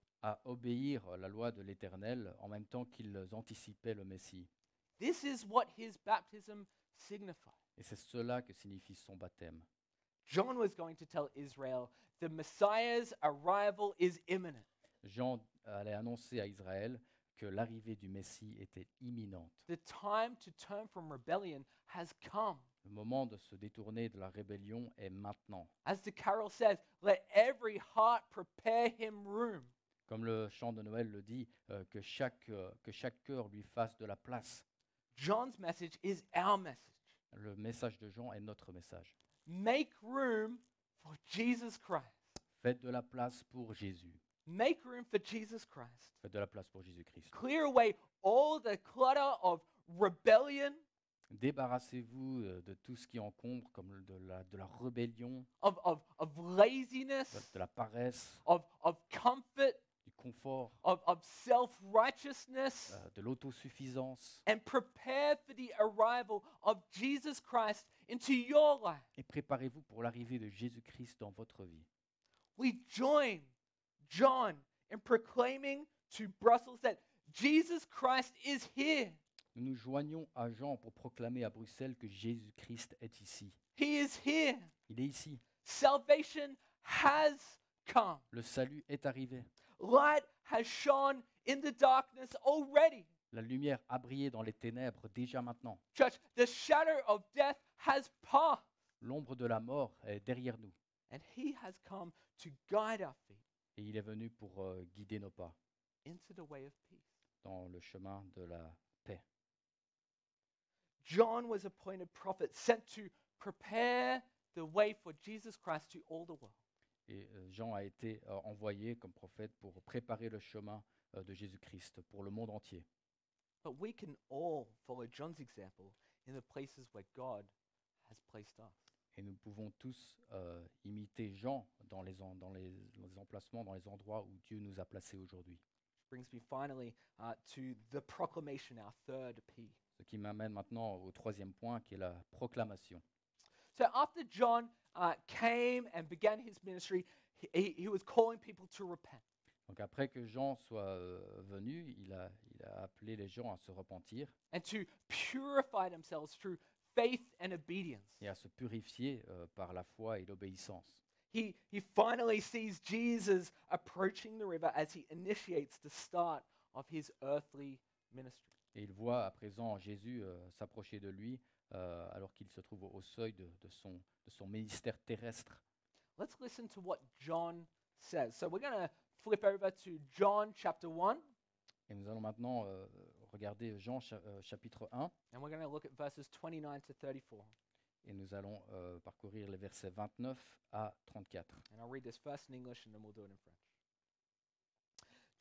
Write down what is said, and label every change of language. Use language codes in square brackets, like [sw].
[fr] À obéir la loi de l'Éternel en même temps qu'ils anticipaient le Messie. [en] This is what his baptism signified. [fr] Et c'est cela que signifie son baptême. [en] John was going to tell Israel the Messiah's arrival is imminent. [fr] Jean allait annoncer à Israël que l'arrivée du Messie était imminente. [en] The time to turn from rebellion has come. [fr] Le moment de se détourner de la rébellion est maintenant. [en] As the carol says, let every heart prepare him room. [fr] Comme le chant de Noël le dit, que chaque cœur lui fasse de la place. [en] John's message is our message. [fr] Le message de Jean est notre message. [en] Make room for Jesus Christ. [fr] Faites de la place pour Jésus. [en] Make room for Jesus Christ. [fr] Faites de la place pour Jésus-Christ. [en] Clear away all the clutter of rebellion. [fr] Débarrassez-vous de tout ce qui encombre, comme de la rébellion. [en] Of laziness. [fr] De la paresse. [en] Of comfort. [fr] Du confort, [en] of self-righteousness, [fr] de l'autosuffisance, [en] and prepare for the arrival of Jesus Christ into your life. [fr] Et préparez-vous pour l'arrivée de Jésus-Christ dans votre vie. [en] We join John in proclaiming to Brussels that Jesus Christ is here. [fr] Nous nous joignons à Jean pour proclamer à Bruxelles que Jésus-Christ est ici. [en] He is here. [fr] Il est ici. [en] Salvation has come. [fr] Le salut est arrivé. [en] Light has shone in the darkness already. [fr] La lumière a brillé dans les ténèbres déjà maintenant. [en] Church, the shadow of death has passed. [fr] L'ombre de la mort est derrière nous. [en] And he has come to guide our feet. [fr] Et il est venu pour guider nos pas. [en] Into the way of peace. [fr] Dans le chemin de la paix. [en] John was appointed prophet sent to prepare the way for Jesus Christ to all the world. [fr] Et Jean a été envoyé comme prophète pour préparer le chemin de Jésus-Christ pour le monde entier. [en] But we can all follow John's example in the places where God has placed us. [fr] Et nous pouvons tous imiter Jean dans les emplacements, dans les endroits où Dieu nous a placés aujourd'hui. [en] Which brings me finally to the proclamation, our third P. [fr] Ce qui m'amène maintenant au troisième point, qui est la proclamation. [en] So after John came and began his ministry, he was calling people to repent. [fr] Donc après que Jean soit venu, il a appelé les gens à se repentir. [en] And to purify themselves through faith and obedience. [fr] Et à se purifier par la foi et l'obéissance. [en] He finally sees Jesus approaching the river as he initiates the start of his earthly ministry. [fr] Et il voit à présent Jésus s'approcher de lui. Alors qu'il se trouve au seuil de son ministère terrestre. [en] Let's listen to what John says. So we're going to flip over to John chapter 1. [fr] Et nous allons maintenant regarder Jean chapitre 1. [en] And we're going to look at verses 29 to 34. [fr] et nous allons parcourir les versets 29 à 34. [en] And I'll read this first in English and then we'll do it in French.